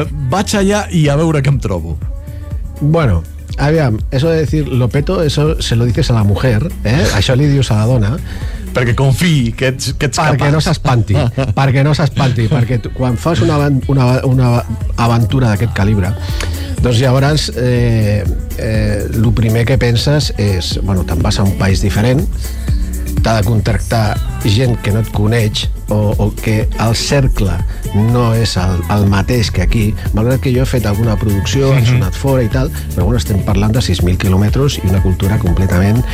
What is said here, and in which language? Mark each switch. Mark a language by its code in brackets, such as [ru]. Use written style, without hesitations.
[ca] Vaig allà i a veure què em trobo. [es] Bueno, aviam, eso de decir lo peto, eso se lo dices a la mujer, ¿eh? [ca] Això li dius a la dona. Perquè confiï que ets capaç. Perquè no s'espanti, perquè tu, quan fas una aventura d'aquest calibre, doncs llavors el primer que penses és, bueno, te'n vas a un país diferent, t'ha de contractar gent que no et coneix o que el cercle no és el mateix que aquí, malgrat que jo he fet alguna producció, he sonat fora i tal, però bueno, estem parlant de 6.000 quilòmetres i una cultura completament...